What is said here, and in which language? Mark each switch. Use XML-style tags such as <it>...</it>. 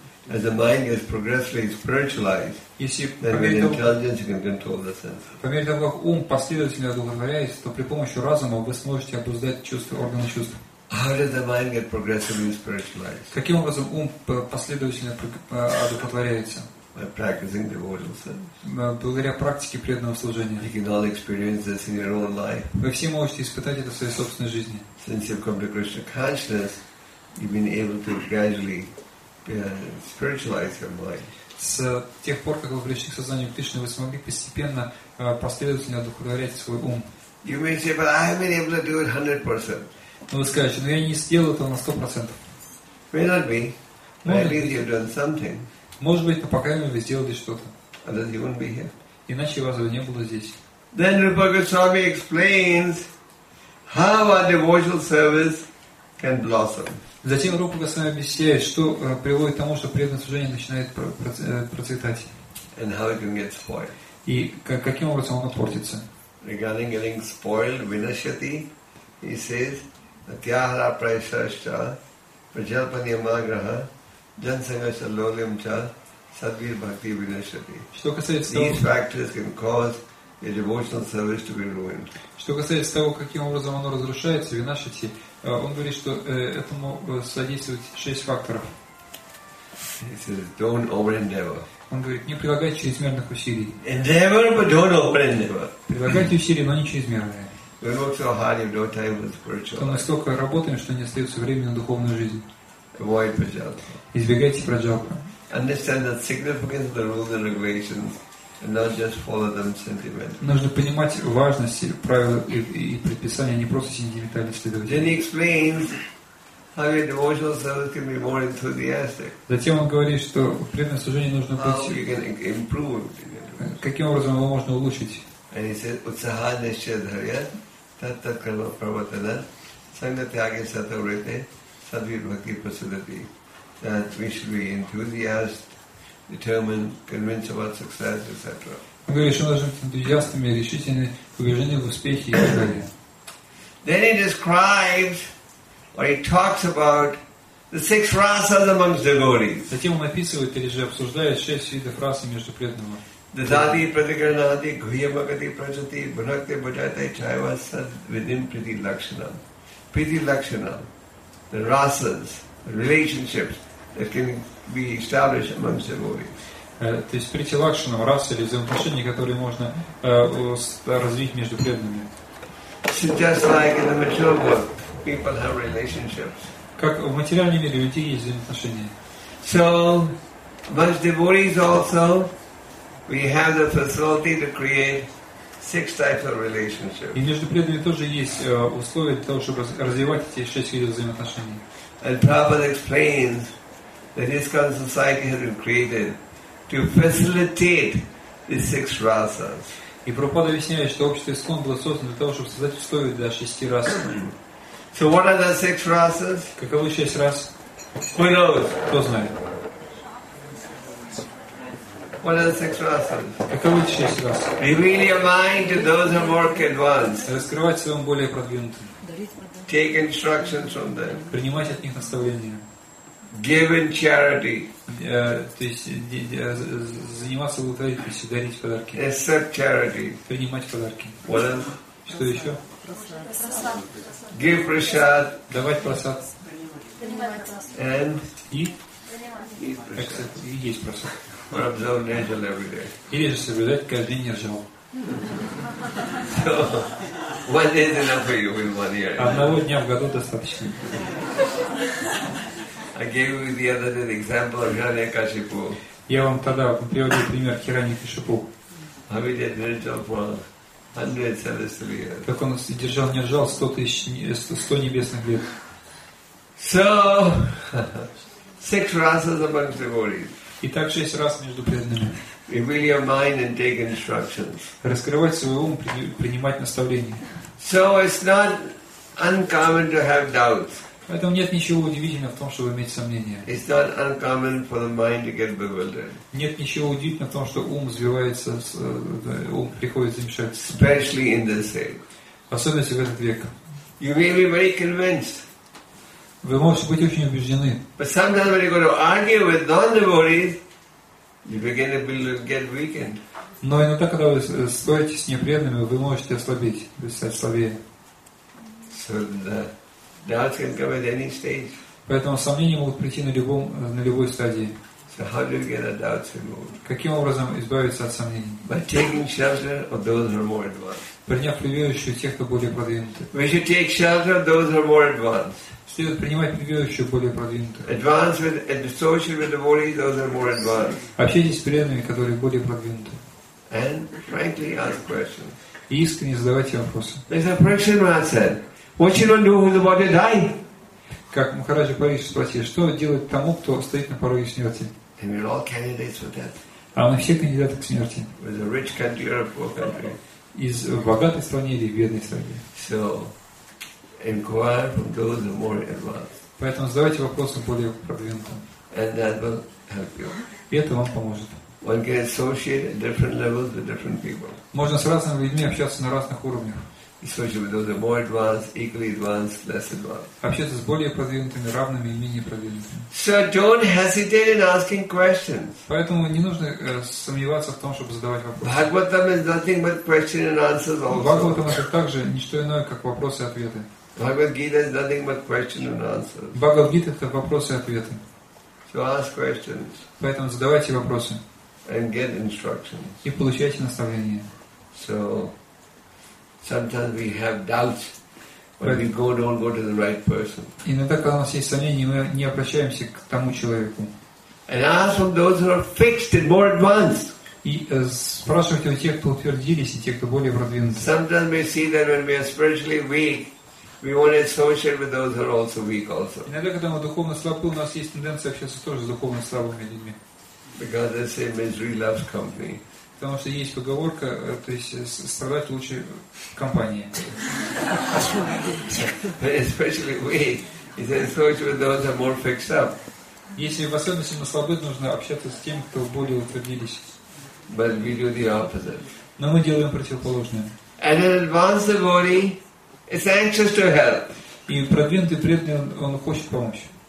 <en>as the mind is progressively spiritualized, then with intelligence you can control the senses.</en> <ru>По мере того, как ум последовательно удовлетворяется, то при помощи разума вы сможете обуздать чувства, органы чувств.</ru> <en>How does the mind get progressively spiritualized?</en> <ru>Каким образом ум последовательно удовлетворяется?</ru> <en>By practicing devotional service.</en> <ru>Благодаря практике преданного служения.</ru> <en>You can all experience this in your own life.</en> <ru>Вы все можете испытать это в своей собственной жизни.</ru> <en>Since you've come to Krishna consciousness, you've been able to gradually spiritualize your mind.</en> <ru>С тех пор, как вы пришли к сознанию Кришны, вы смогли постепенно последовательно духовнорять свой ум.</ru> <en>You may say, but I haven't been able to do it 100%.</en> <ru>Но вы скажете, но я не сделал это на 100%.</ru> <en>May not be. But at least you've done something.</en> <ru>Может быть, по крайней мере, вы сделали что-то.</ru> <en>And then you wouldn't be here.</en> <ru>Иначе вас бы не было здесь.</ru> <en>Then Rupa Goswami explains how our devotional service can blossom.</en> <ru>Затем Рупа Госвами объясняет, что приводит к тому, что преданное служение начинает процветать.</ru> <en>And how it can get spoiled.</en> <ru>И каким образом оно портится.</ru> <en>Regarding getting spoiled,</en> <sa>Vinashati,</sa> <en>he says,</en> <sa>Atyahara Praishascha, Prajalpanyamagraha, Jansangasha Lolyamcha, Sadvir Bhakti Vinashati.</sa> <ru>Что касается того,</ru> <en>these factors can cause a devotional service to be ruined.</en> <ru>Что касается того, каким образом оно разрушается, Vinashati, он говорит, что этому содействуют шесть факторов.</ru> <en>He says, don't over-endeavor.</en> <ru>Он говорит, не прилагайте чрезмерных усилий.</ru> <en>Endeavor, but don't over-endeavor.</en> <ru>Прилагайте усилия, но не чрезмерные.</ru> <en>We work so hard, you don't have time for spiritual.</en> <ru>Мы столько работаем, что не остается времени на духовную жизнь.</ru> <en>Avoid prajalpa.</en> <ru>Избегайте праджалпа.</ru> <en>Understand the significance of the rules and regulations. And not just follow them sentimentally.</en> <ru>Нужно понимать важность правил и предписаний, не просто сентиментально следовать.</ru> <en>Then he explains how your devotional service can be more enthusiastic.</en> <ru>Затем он говорит, что преданное служение нужно быть.</ru> <en>How you can improve?</en> <ru>Каким образом его можно улучшить?</ru> <en>And he says,</en> <sa>"Utsahane shadharya, tatta karma pravatana, sangatyaage satavrite, sadvir bhakti prasadati."</sa> <en>That we should be enthusiastic. Determine, convince about success, etc.</en> <ru>Он говорит, что должны быть энтузиастами, решительными, убеждены в успехе и так далее.</ru> <en>Then he describes, or he talks about the six rasas amongst devotees.</en> <ru>Затем он описывает или же обсуждает шесть видов рас между преданными.</ru> <sa>Дадати прадиграннати гхиямагати прачати бхакти бхаджати чайва сад видим прити лакшанам. Прити лакшанам.</sa> <en>The rasas, relationships that can be established amongst devotees.</en> <ru>То есть прити лакшанам, расы или взаимоотношения, которые можно развить между преданными.</ru> <en>Just like in the material world, people have relationships.</en> <ru>Как в материальном мире у людей есть взаимоотношения.</ru> <en>So, as devotees also, we have the facility to create six types of relationships.</en> <ru>И между преданными тоже есть условия для того, чтобы развивать эти шесть видов взаимоотношений.</ru> <en>And Prabhupada explains that this kind of society has been created to facilitate these six rasas.</en> <ru>И Прабхупада объясняет, что общество ИСКОН было создано для того, чтобы создать условия для шести рас.</ru> <en>So what are the six rasas?</en> <ru>Каковы шесть рас?</ru> <en>Who knows?</en> <ru>Кто знает?</ru> <en>What are the six rasas?</en> <ru>Каковы шесть рас?</ru> <en>Reveal your mind to those who work advanced.</en> <ru>Раскрывать своим более продвинутым.</ru> <en>Take instructions from them.</en> <ru>Принимать от них наставления.</ru> <en>Give in charity.</en> <ru>То есть заниматься благотворительностью, дарить подарки.</ru> <en>Accept charity.</en> <ru>Принимать подарки.</ru> <en>What else?</en> <ru>Что еще?</ru> <en>Prasad. Give prasad.</en> <ru>Давать prasad.</ru> <en>And eat. Eat</en> <ru>есть</ru> <en>prasad. Or observe nirjal every day.</en> <ru>Или же соблюдать каждый день нирджал.</ru> <en>So, what is enough for you in 1 year?</en> <ru>Одного дня в году достаточно.</ru> <en>I gave you the other day the example of Hiranyakashipu.</en> <ru>Я вам тогда приводил пример Хираньякашипу.</ru> <en>How he did nirjal for 100 celestial years.</en> <ru>Как он содержал нирджал 100 небесных лет.</ru> <en>So, six rasas amongst devotees.</en> <ru>И так шесть раз между преданными.</ru> <en>Reveal your mind and take instructions.</en> <ru>Раскрывать свой ум, принимать наставления.</ru> <en>So it's not uncommon to have doubts.</en> <ru>Поэтому нет ничего удивительного в том, чтобы иметь сомнения.</ru> <en>It's not uncommon for the mind to get bewildered.</en> <ru>Нет ничего удивительного в том, что ум взвивается, ум приходит замешать.</ru> <en>Especially in this age.</en> <ru>Особенно в этот век.</ru> <en>You may be very convinced.</en> <ru>Вы можете быть очень убеждены.</ru> <en>But sometimes when you go to argue with non-devotees, you begin to get weakened.</en> <ru>Но иногда, когда вы стоите с непреданными, вы можете ослабеть, стать слабее.</ru> <en>So the doubts can come at any stage.</en> <ru>Поэтому сомнения могут прийти на любой стадии.</ru> <en>So how do you get the doubts removed?</en> <ru>Каким образом избавиться от сомнений?</ru> <en>By taking shelter of those who are more advanced.</en> <ru>Приняв прибежище тех, кто более продвинутый.</ru> <en>We should take shelter of those who are more advanced.</en> <ru>Следует принимать прибежище более продвинутых.</ru> <en>Advance with and associate with devotees, those are more advanced.</en> <ru>Общайтесь с преданными, которые более продвинуты.</ru> <en>And frankly ask questions.</en> <ru>И искренне задавайте вопросы.</ru> <en>There's a Prashant Maharaj said, "What you don't do who's about to die?"</en> <ru>Как Махараджа Париша спросил, что делать тому, кто стоит на пороге смерти?</ru> <en>And we're all candidates for death.</en> <ru>А мы все кандидаты к смерти.</ru> <en>With a rich country or a poor country.</en> <ru>Из богатой страны или бедной страны.</ru> <en>So. Inquire from those who are more advanced.</en> <ru>Поэтому задавайте вопросы более продвинутым.</ru> <en>And that will help you.</en> <ru>И это вам поможет.</ru> <en>One can associate at different levels with different people.</en> <ru>Можно с разными людьми общаться на разных уровнях.</ru> <en>Associate with those who are more advanced, equally advanced, less advanced.</en> <ru>Общаться с более продвинутыми, равными и менее продвинутыми.</ru> <en>So don't hesitate in asking questions.</en> <ru>Поэтому не нужно сомневаться в том, чтобы задавать вопросы.</ru> <en>Bhagavatam is nothing but question and answers also.</en> <ru>Bhagavatam это также не что иное, как вопросы и ответы.</ru> <en>Bhagavad Gita is nothing but question and answers.</en> <ru>Bhagavad Gita это вопросы и ответы.</ru> <en>So ask questions.</en> <ru>Поэтому задавайте вопросы.</ru> <en>And get instructions.</en> <ru>И получайте наставления.</ru> <en>So sometimes we have doubts when we go, don't go to the right person.</en> <ru>Иногда когда у нас есть сомнения, мы не обращаемся к тому человеку.</ru> <en>And ask from those who are fixed and more advanced.</en> <ru>И спрашивайте у тех, кто утвердились, и тех, кто более продвинутый.</ru> <en>Sometimes we see that when we are spiritually weak. We want to associate with those who are also weak, also.</en> <ru>Иногда, когда мы духовно слабы, у нас есть тенденция общаться тоже с духовно слабыми людьми.</ru> <en>Because they say misery loves company.</en> <ru>Потому что есть поговорка, то есть страдать лучше компании.</ru> <en>Especially we, is associate with those who are more fixed up.</en> <ru>Если в особенности мы слабы, нужно общаться с тем, кто более утвердились.</ru> <en>But we do the opposite.</en> <ru>Но мы делаем противоположное.</ru> <en>And an advanced body. It's anxious to help.</en> <ru>И продвинутый преданный он хочет помочь.</ru>